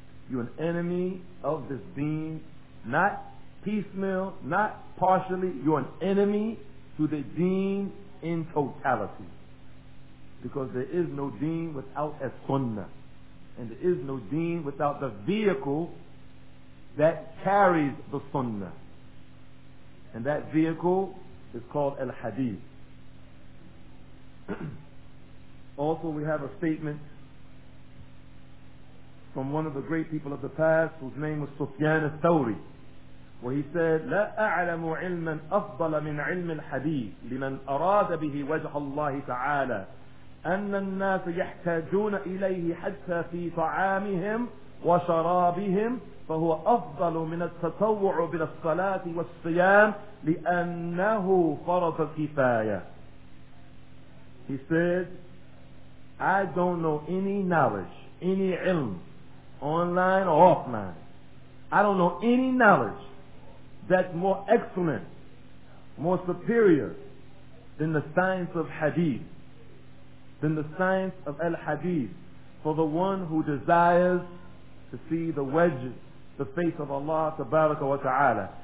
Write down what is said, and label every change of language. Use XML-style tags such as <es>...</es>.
<en>You are an enemy of this deen, not piecemeal, not partially, you are an enemy to the deen in totality. Because there is no deen without a sunnah. And there is no deen without the vehicle that carries the sunnah. And that vehicle is called al-hadith. Also, we have a statement from one of the great people of the past whose name was Sufyan al-Thawri, where he said,</en> <ar>لا أعلم علما أفضل من علم الحديث لمن أراد به وجه الله تعالى أن الناس يحتاجون إليه حتى في طعامهم وشرابهم فهو أفضل من التطوع بلا الصلاة والصيام لأنه فرض كفاية.</ar> <en>He said, I don't know any knowledge, any ilm, online or offline. I don't know any knowledge that's more excellent, more superior than the science of hadith, than the science of al-hadith, for the one who desires to see the wedge, the face of Allah tabaraka wa ta'ala.</en>